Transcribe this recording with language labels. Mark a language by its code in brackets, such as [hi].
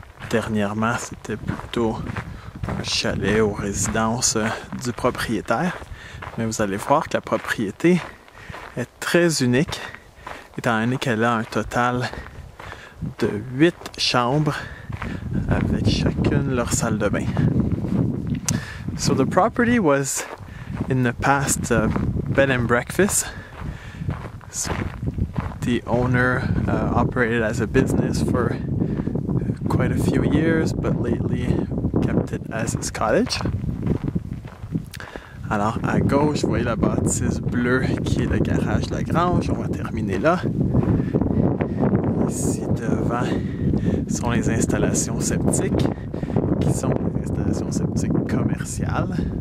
[fr] Dernièrement, c'était plutôt un chalet ou résidence du propriétaire. Mais vous allez voir que la propriété est très unique, étant donné qu'elle a un total de 8 chambres, avec chacune leur salle de bain. [en] So the property was in the past bed and breakfast. So the owner operated as a business for quite a few years, but lately kept it as his cottage. [fr] Alors, à gauche, vous voyez la bâtisse bleue qui est le garage La Grange. On va terminer là. Ici devant sont les installations septiques, qui sont des installations septiques commerciales.